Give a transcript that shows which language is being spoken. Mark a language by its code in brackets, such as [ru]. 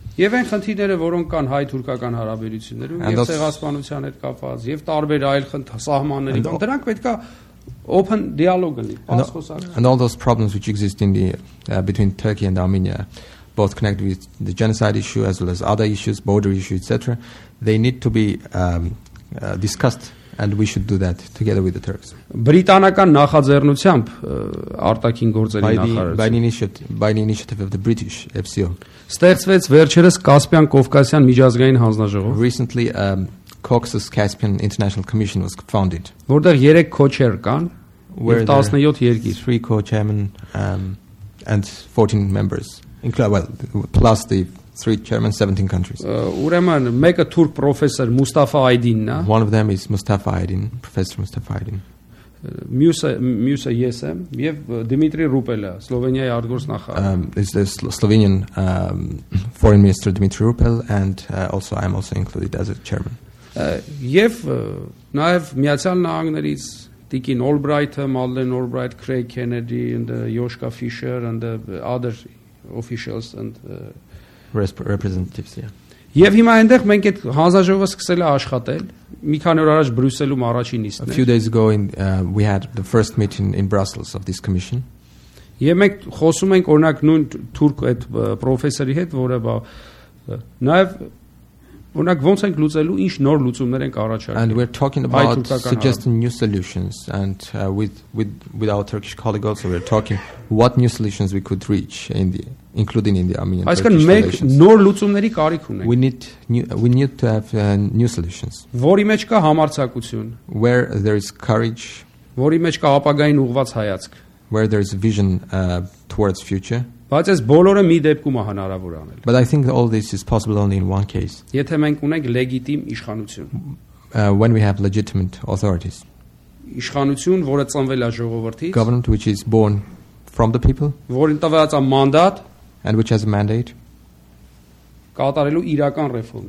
[hy] Եվ այն խնդիրները, որոնք կան հայ-թուրքական հարաբերություններում, եւ ցեղասպանության հետ կապված, եւ տարբեր այլ սահմանների, դրանք պետքա [en] open dialogue- [hy] ը լինի, բացխոսակ։ [en] And all those problems which exist in the between Turkey and Armenia, both connected with the genocide issue as well as other issues, border issue, etc., they need to be discussed and we should do that together with the Turks. [hy] Բրիտանական նախաձեռնությամբ արտաքին գործերի նախարարության [en] by the initiative of the British FCO. [hy] Ստեղծվեց վերջերս Կասպյան-Կովկասյան միջազգային հանձնաժողով. [en] Recently Caucasus-Caspian International Commission was founded. [hy] Որտեղ 3 co-chair կան եւ 17 երկիր. [en] 3 co-chairmen and 14 members. Well, plus the 3 chairmen, 17 countries. [hy] Ուրեմն մեկը թուրք պրոֆեսոր Մուստաֆա Այդինն է. [en] One of them is Mustafa Aydin, Professor Mustafa Aydin. [hy] Մյուսը ես եմ եւ Դմիտրի Ռուպելը, Սլովենիայի արտգործնախարար. [en] Is the Slovenian Foreign Minister Dmitry Rupel and also I'm also included as a chairman. [hy] Եվ նաեւ Միացյալ Նահանգներից Տիկին Օլբրայթը, Մալդեն Օլբրայթ, Քրեյ Քենեդի and Յոշկա Ֆիշեր and other officials and [en] representatives, yeah. [hy] Եվ հիմա այնտեղ մենք այդ հանձնաժողովը սկսել է աշխատել մի քանի օր առաջ Բրյուսելում առաջին իսկ։ [en] A few days ago we had the first meeting in Brussels of this commission. [hy] Եվ մենք խոսում ենք օրինակ նույն թուրք այդ պրոֆեսորի հետ, որը բա նաև օրինակ ոնց ենք լուծելու, ինչ նոր լուծումներ ենք առաջարկել։ [en] And we're talking about suggesting new solutions and with our Turkish colleagues also we're talking what new solutions we could reach in the including in the Armenian Turkish relations. [hy] Այսինքն մենք նոր լուծումների կարիք ունենք. [en] We need to have new solutions. [hy] Որի մեջ կա համարձակություն. [en] Where there is courage. [hy] Որի մեջ կա ապագային ուղված հայացք. [en] Where there is vision towards future. [hy] Բայց այս բոլորը մի դեպքում է հնարավոր անել. [en] But I think all this is possible only in one case. [hy] Եթե մենք ունենք լեգիտիմ իշխանություն. [en] When we have legitimate authorities. [hy] Իշխանություն, որը ծնվել է ժողովրդից. [en] Government which is born from the people. [hy] Որին տվված է մանդատ. [en] And which has a mandate? [hy] Կատարելու իրական ռեֆորմ.